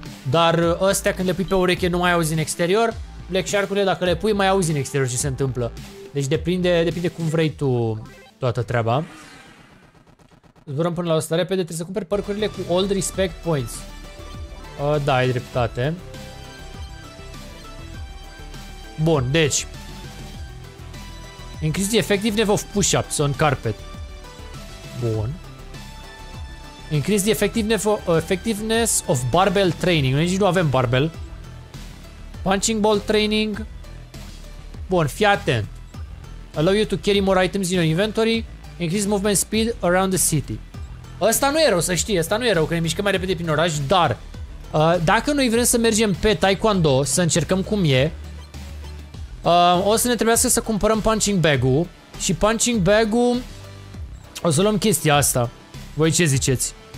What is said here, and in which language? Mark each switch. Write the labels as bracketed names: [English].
[Romanian] Dar astea când le pui pe ureche nu mai auzi în exterior. Black Shark-urile dacă le pui mai auzi în exterior ce se întâmplă. Deci depinde cum vrei tu toată treaba. Zburăm până la asta repede, trebuie să cumperi parcurile cu Old Respect Points. Da, ai dreptate. Bun, deci [English] increase the effectiveness of push-ups on carpet. [Romanian] Bun. [English] Increase the effectiveness of barbell training. [Romanian] Noi nici nu avem barbell. [English] Punching ball training. [Romanian] Bun, fii atent. [English] Allow you to carry more items in your inventory. Increase movement speed around the city. [Romanian] Ăsta nu e rău, să știi. Ăsta nu e rău, că ne mișcăm mai repede prin oraș, dar dacă noi vrem să mergem pe Taekwondo, să încercăm cum e, o să ne trebuiască să cumpărăm punching bag-ul. Și punching bag-ul, o să luăm chestia asta. Voi ce ziceți?